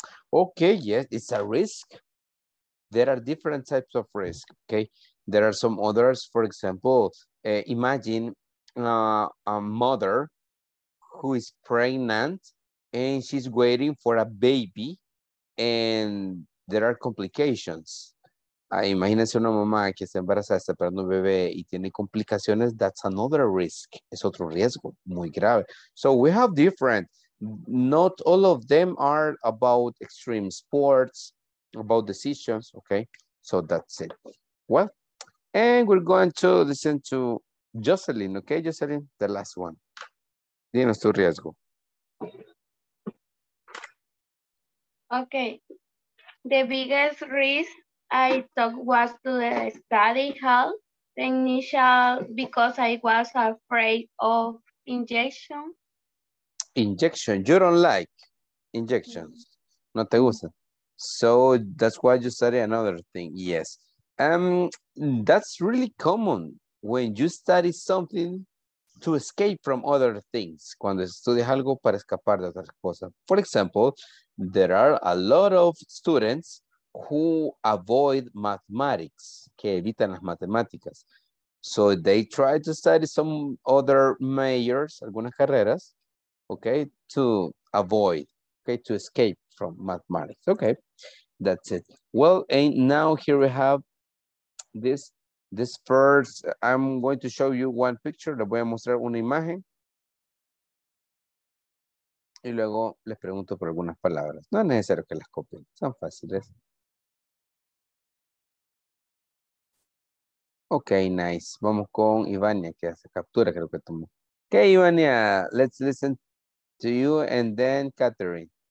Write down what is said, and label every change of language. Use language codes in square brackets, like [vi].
[en] Okay, yes, it's a risk. There are different types of risk, okay? There are some others, for example, imagine a mother who is pregnant and she's waiting for a baby, and there are complications. [es] Imagínense una mamá que está embarazada, está esperando un bebé y tiene complicaciones. [en] That's another risk. [es] Es otro riesgo muy grave. [en] So we have different. Not all of them are about extreme sports, about decisions, okay? So that's it. Well, and we're going to listen to Jocelyn, okay, Jocelyn? The last one. [es] Dinos tu riesgo. [en] Okay, the biggest risk I took was to the study hall technician because I was afraid of injection. Injection, you don't like injections. [es] No te gusta. [en] So that's why you study another thing. Yes. That's really common when you study something to escape from other things. [es] Cuando estudias algo para escapar de otras cosas. [en] For example, there are a lot of students who avoid mathematics, [es] que evitan las matemáticas. [en] So they try to study some other majors, [es] algunas carreras, [en] okay, to avoid, okay, to escape from mathematics. Okay, that's it. Well, and now here we have this first, I'm going to show you one picture, [es] le voy a mostrar una imagen. Y luego les pregunto por algunas palabras. No es necesario que las copien, son fáciles. Okay, nice. Vamos con Ivania, que hace captura, creo que tomó. [en] Okay, Ivania, let's listen to you and then Catherine.